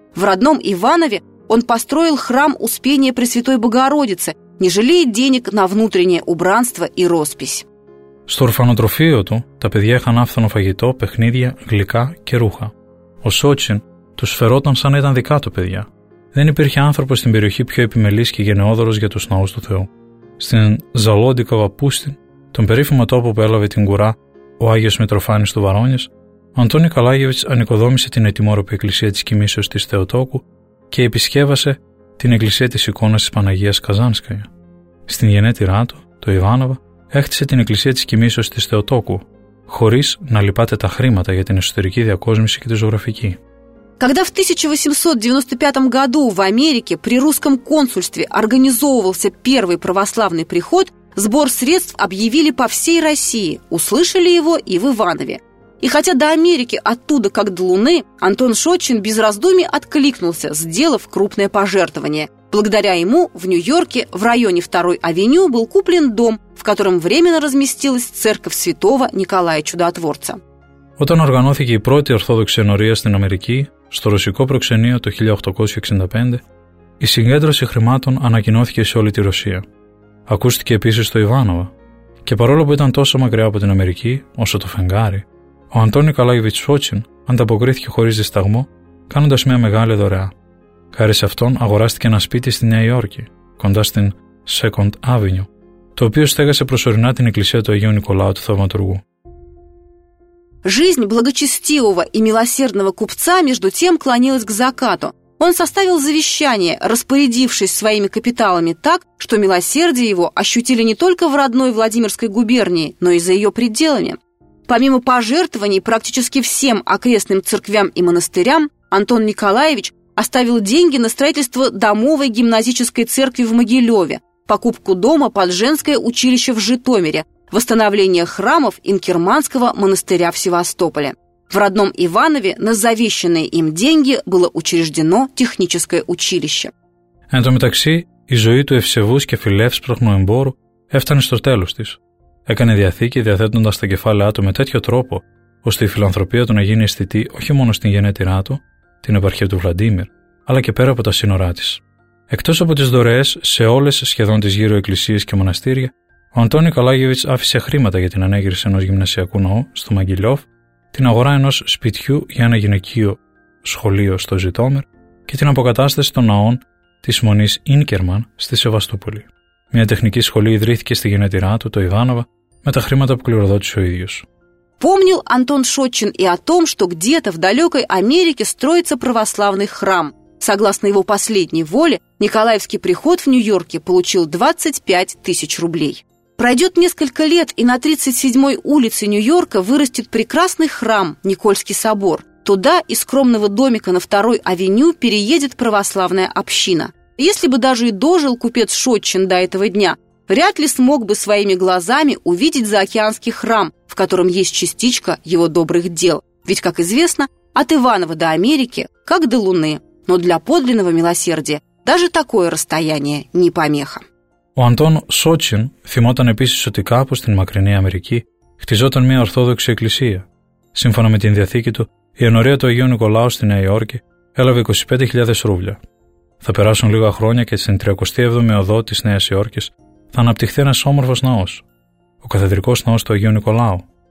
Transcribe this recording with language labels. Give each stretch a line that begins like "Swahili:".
Russian: В родном Иванове он построил храм Успения Пресвятой Богородицы – не жалеет денег на внутреннее убранство и роспись.
Greek: Στο ορφανοτροφείο του, τα παιδιά είχαν άφθονο φαγητό, παιχνίδια, γλυκά και ρούχα. Ο Σότσιν τους φερόταν σαν να ήταν δικά του παιδιά. Δεν υπήρχε άνθρωπος στην περιοχή πιο επιμελής και γενναιόδωρος για τους ναούς του Θεού. Στην Ζαλόντικοβα Πούστιν, τον περίφημο τόπο που έλαβε την κουρά ο Άγιος Μητροφάνης του Βαρόνιες, ο Αντών Νικολάγεβιτς ανοικοδόμησε την ετοιμόρροπη εκκλησία της Κοιμήσεως της Θεοτόκου και επισκέβασε την εκκλησία της εικόνας της Παναγίας Καζάνσκαια. Στην γενέτειρά του, το Ιβάνοβα, έχτισε την εκκλησία της Κοιμήσεως της Θεοτόκου, χωρίς να λυπάται τα χρήματα για την εσωτερική διακόσμηση και τη ζωγραφική.
Russian: Когда в 1895 году в Америке при русском консульстве организовывался первый православный приход, сбор средств объявили по всей России, услышали его и в Иванове. И хотя до Америки оттуда как до Луны, Антон Шотчин без раздумий откликнулся, сделав крупное пожертвование. Благодаря ему в Нью-Йорке в районе 2-й авеню был куплен дом, в котором временно разместилась церковь святого Николая Чудотворца.
Greek: Όταν οργανώθηκε η πρώτη ορθόδοξη ενορία στην Αμερική, στο ρωσικό προξενείο το 1865, η συγκέντρωση χρημάτων ανακοινώθηκε σε όλη τη Ρωσία. Ακούστηκε επίσης στο Ιβάνοβα. Και παρόλο που ήταν τόσο μακριά από την Αμερική, όσο το φεγγάρι, ο Αντών Νικολάγεβιτς Σότσιν ανταποκρίθηκε χωρίς δισταγμό, κάνοντας μια μεγάλη δωρεά. Χάρη σε αυτόν αγοράστηκε ένα σπίτι στη Νέα Υόρκη, κοντά στην Second Avenue, το οποίο στέγασε προσωρινά την εκκλησία του Αγίου Νικολάου του Θαυματουργού.
Russian: Жизнь благочестивого и милосердного купца между тем клонилась к закату. Он составил завещание, распорядившись своими капиталами так, что милосердие его ощутили не только в родной Владимирской губернии, но и за ее пределами. Помимо пожертвований практически всем окрестным церквям и монастырям, Антон Николаевич оставил деньги на строительство домовой гимназической церкви в Могилеве, покупку дома под женское училище в Житомире, восстановление храмов Инкерманского монастыря в Севастополе. В родном Иванове на завещанные им деньги было учреждено техническое училище.
Greek: Εν τω μεταξύ, η ζωή του ευσεβούς και φιλεύς πρωχνού εμπόρου έφτανε στο τέλος της. Έκανε διαθήκη διαθέτοντας τα κεφάλαιά του με τέτοιο τρόπο, ώστε η φιλανθρωπία του να γίνει αισθητή όχι μόνο στην γενέτειρά του, την επαρχία του Βλαντίμιρ, αλλά και πέρα από τα σύνορά της. Εκτός από τις δωρεές σε όλες σχεδόν τις γύρω εκκλησίες και μοναστήρια, ο Αντώνη Καλάγεβιτς άφησε χρήματα για την ανέγερση ενός γυμνασιακού ναού στο Μαγκυλιόφ, την αγορά ενός σπιτιού για ένα γυναικείο σχολείο στο Ζητόμερ και την αποκατάσταση των ναών της μονής Ίνκερμαν στη Σεβαστούπολη. Μια τεχνική σχολή ιδρύθηκε στη γενέτειρά του, το Ιβάνοβα, με τα χρήματα που κληροδότησε ο ίδιος.
Russian: Помнил Антон Шотчин и о том, что где-то в далекой Америке строится православный храм. Согласно его последней воле, Николаевский приход в Нью-Йорке получил 25 тысяч рублей. Пройдет несколько лет, и на 37-й улице Нью-Йорка вырастет прекрасный храм Никольский собор. Туда из скромного домика на 2-й авеню переедет православная община. Если бы даже и дожил купец Шотчин до этого дня, вряд ли смог бы своими глазами увидеть заокеанский храм, в котором есть частичка его добрых дел. Ведь, как известно, от Иваново до Америки, как до Луны. Но для подлинного милосердия даже такое расстояние не помеха.
Greek: Ο Αντών Σότσιν θυμόταν επίσης ότι κάπου στην μακρινή Αμερική χτιζόταν μια Ορθόδοξη Εκκλησία. Σύμφωνα με την Διαθήκη του, η ενορία του Αγίου Νικολάου στη Νέα Υόρκη έλαβε 25.000 ρούβλια. Θα περάσουν λίγα χρόνια και στην 37η οδό της Νέας Υόρκης θα αναπτυχθεί ένας όμορφος ναός, ο καθεδρικός ναός του Αγίου Νικολάου.